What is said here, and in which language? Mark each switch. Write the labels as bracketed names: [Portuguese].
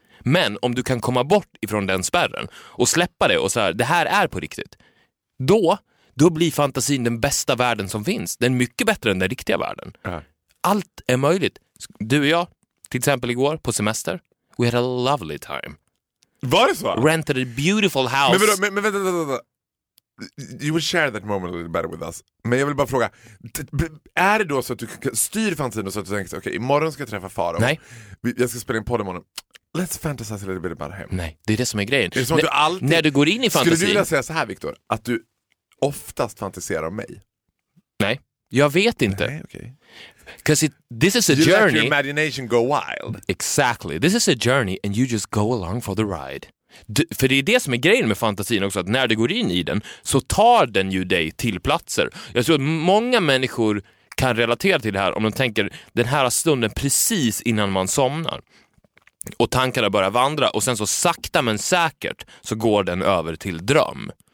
[Swedish] Men om du kan komma bort ifrån den spärren och släppa det och så här, det här är på riktigt, då blir fantasin den bästa världen som finns. Den är mycket bättre än den riktiga världen. Allt är möjligt. Du och jag, till exempel igår på semester, [English] we had a lovely time. [Swedish] Var det så? [English] Rented a beautiful house. [Swedish] Men vänta. [English] You will share that moment a little better with us. [Swedish] Men jag vill bara fråga, är det då så att du styr fantasin och så att du tänker, okej, imorgon ska jag träffa Faro. Nej. Jag ska spela en podd imorgon. [English] Let's fantasize a little bit about him. [Swedish] Nej, det är det som är grejen. Det är som att du alltid, när du går in i fantasin... Skulle du vilja säga så här, Victor, att du oftast fantiserar om mig? Nej, jag vet inte. Nej, okej. [English] Okay. Because this is a you journey... You let your imagination go wild. Exactly. This is a journey and you just go along for the ride. [Swedish] För det är det som är grejen med fantasin också, att när du går in i den så tar den ju dig till platser. Jag tror att många människor kan relatera till det här om de tänker den här stunden precis innan man somnar och tankarna börjar vandra, och sen så sakta men säkert så går den över till dröm.